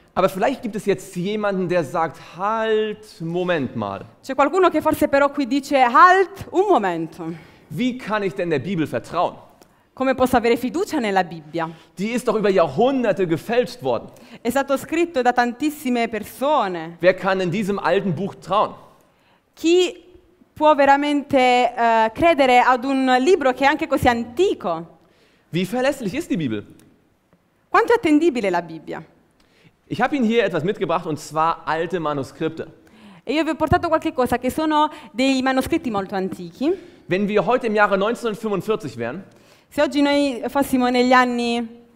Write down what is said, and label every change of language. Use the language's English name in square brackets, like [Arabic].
[German] Aber vielleicht gibt es jetzt jemanden, der sagt, halt, Moment mal. [Italian] C'è qualcuno che forse però qui dice, halt, un momento. [German] Wie kann ich denn der Bibel vertrauen? [Italian] Come posso avere fiducia nella Bibbia? [German] Die ist doch über Jahrhunderte gefälscht worden. [Italian] È stato scritto da tantissime persone. [German] Wer kann in diesem alten Buch trauen? [Italian] Chi può veramente credere ad un libro che è anche così antico? [German] Wie verlässlich ist die Bibel? [Italian] Quanto è attendibile la Bibbia? [German] Ich habe Ihnen hier etwas mitgebracht und zwar alte Manuskripte. [Italian] E io vi ho portato qualche cosa che sono dei manoscritti molto antichi. [German] Wenn wir heute im Jahre 1945 wären. [Italian] Se oggi noi fossimo negli anni